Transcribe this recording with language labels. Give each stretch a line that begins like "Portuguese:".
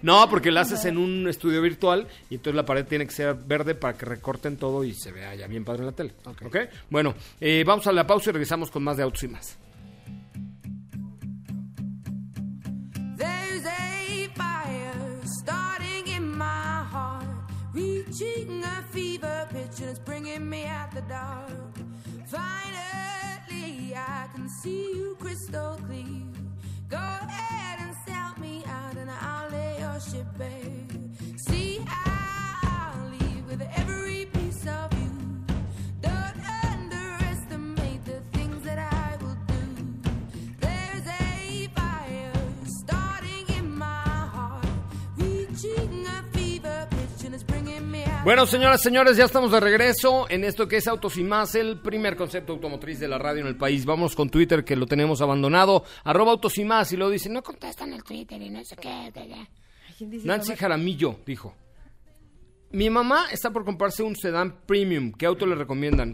Spanish: No, porque la haces en un estudio virtual y entonces la pared tiene que ser verde para que recorten todo y se vea ya bien padre en la tele. Okay. ¿Okay? Bueno, vamos a la pausa y regresamos con más de Autos y Más.
English: There's a fire starting in my heart, reaching a fever pitch and it's bringing me out the dark. Finally I can see you crystal clear. Go ahead and sell me out and I'll lay your ship bare. See how I'll leave with every piece of you. Don't underestimate the things that I will do. There's a fire starting in my heart, reaching a fever pitch.
Spanish: Bueno, señoras, señores, ya estamos de regreso en esto que es Autos y Más, el primer concepto automotriz de la radio en el país. Vamos con Twitter, que lo tenemos abandonado, @AutosYMás, y luego dicen, no contestan el Twitter y no sé qué. Nancy Jaramillo dijo, mi mamá está por comprarse un sedán premium, ¿qué auto le recomiendan?